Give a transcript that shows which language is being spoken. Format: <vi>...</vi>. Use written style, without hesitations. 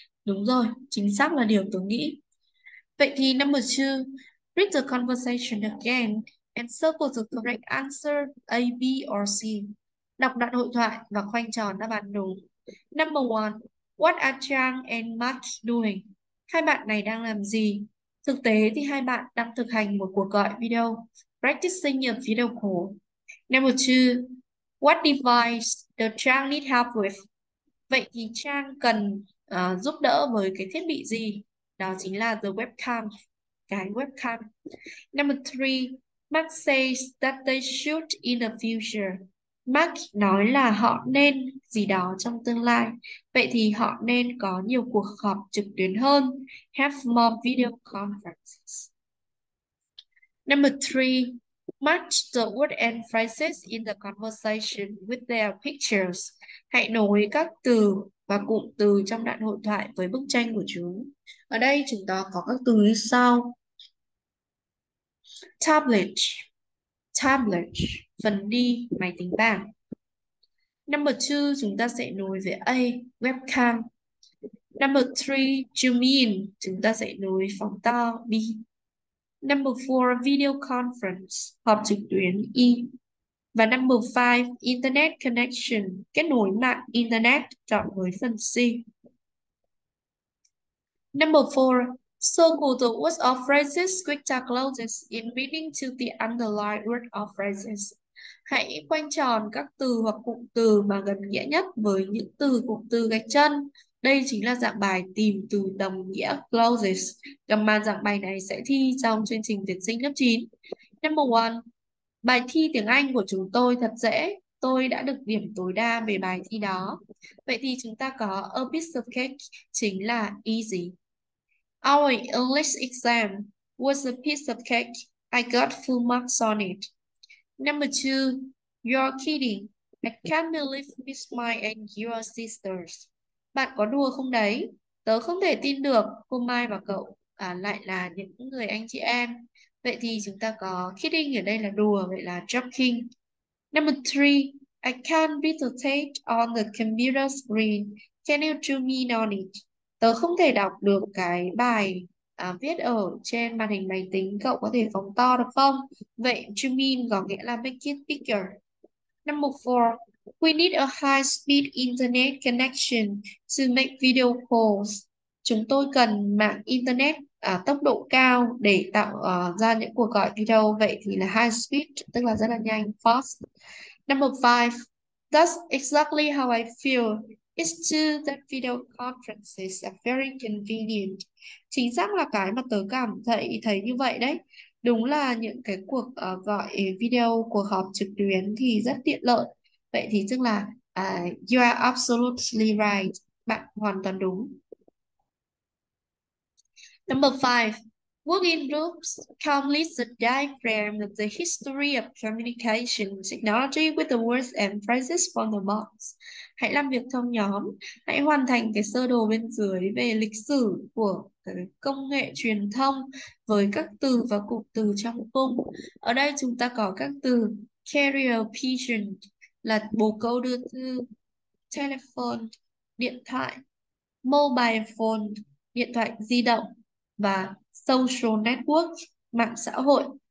<vi>Đúng rồi, chính xác là điều tớ nghĩ. Vậy thì</vi> <en>number 2, read the conversation again and circle the correct answer A, B or C.</en> <vi>Đọc đoạn hội thoại và khoanh tròn đáp án đúng.</vi> <en>Number 1, what are Trang and Mark doing?</en> <vi>Hai bạn này đang làm gì? Thực tế thì hai bạn đang thực hành một cuộc gọi video,</vi> <en>practicing a video call. Number 2, what device does Trang need help with?</en> <vi>Vậy thì Trang cần giúp đỡ với cái thiết bị gì? Đó chính là</vi> <en>the webcam,</en> <vi>cái webcam.</vi> <en>Number 3, Mark says that they should in the future.</en> <vi>Mark nói là họ nên gì đó trong tương lai. Vậy thì họ nên có nhiều cuộc họp trực tuyến hơn.</vi> <en>Have more video conferences. Number 3, match the word and phrases in the conversation with their pictures.</en> <vi>Hãy nối các từ và cụm từ trong đoạn hội thoại với bức tranh của chúng. Ở đây chúng ta có các từ như sau: tablet, tablet, phần đi, máy tính bảng.</vi> <en>Number 2,</en> <vi>chúng ta sẽ nối với A, webcam.</vi> <en>Number 3, zoom in,</en> <vi>chúng ta sẽ nối phóng to, B.</vi> <en>Number 4, video conference,</en> <vi>họp trực tuyến,</vi> <en>Y.</en> <vi>Và</vi> <en>number 5, internet connection,</en> <vi>kết nối mạng internet, chọn với phần C.</vi> <en>Number 4, circle the words or phrases which are closest in meaning to the underlying word or phrases.</en> <vi>Hãy quanh tròn các từ hoặc cụm từ mà gần nghĩa nhất với những từ cụm từ gạch chân. Đây chính là dạng bài tìm từ đồng nghĩa closest. Cầm màn dạng bài này sẽ thi trong chương trình tuyển sinh lớp 9.</vi> <en>Number 1,</en> <vi>bài thi tiếng Anh của chúng tôi thật dễ. Tôi đã được điểm tối đa về bài thi đó. Vậy thì chúng ta có</vi> <en>a piece of cake</en> <vi>chính là easy.</vi> <en>Our English exam was a piece of cake. I got full marks on it. Number 2, you're kidding. I can't believe Miss Mai and your sisters.</en> <vi>Bạn có đùa không đấy? Tớ không thể tin được cô Mai và cậu lại là những người anh chị em. Vậy thì chúng ta có kidding ở đây là đùa, vậy là joking.</vi> <en>Number 3, I can't read the text on the computer screen. Can you zoom in on it?</en> <vi>Tớ không thể đọc được cái bài viết ở trên màn hình máy tính, cậu có thể phóng to được không? Vậy</vi> <en>zoom in</en> <vi>có nghĩa là</vi> <en>make it bigger. Number 4, we need a high speed internet connection to make video calls.</en> <vi>Chúng tôi cần mạng internet tốc độ cao để tạo ra những cuộc gọi video. Vậy thì là</vi> <en>high speed,</en> <vi>tức là rất là nhanh, fast.</vi> <en>Number 5, that's exactly how I feel. It's true that video conferences are very convenient.</en> <vi>Chính xác là cái mà tớ cảm thấy thấy như vậy đấy. Đúng là những cái cuộc gọi video, cuộc họp trực tuyến thì rất tiện lợi. Vậy thì tức là</vi> <en>you are absolutely right.</en> <vi>Bạn hoàn toàn đúng.</vi> <en>Number 5, working groups calmly the diagram of the history of communication technology with the words and phrases from the box.</en> <vi>Hãy làm việc trong nhóm, hãy hoàn thành cái sơ đồ bên dưới về lịch sử của cái công nghệ truyền thông với các từ và cụm từ trong cùng. Ở đây chúng ta có các từ carrier pigeon là bồ câu đưa thư, telephone điện thoại, mobile phone điện thoại di động và social network mạng xã hội.</vi>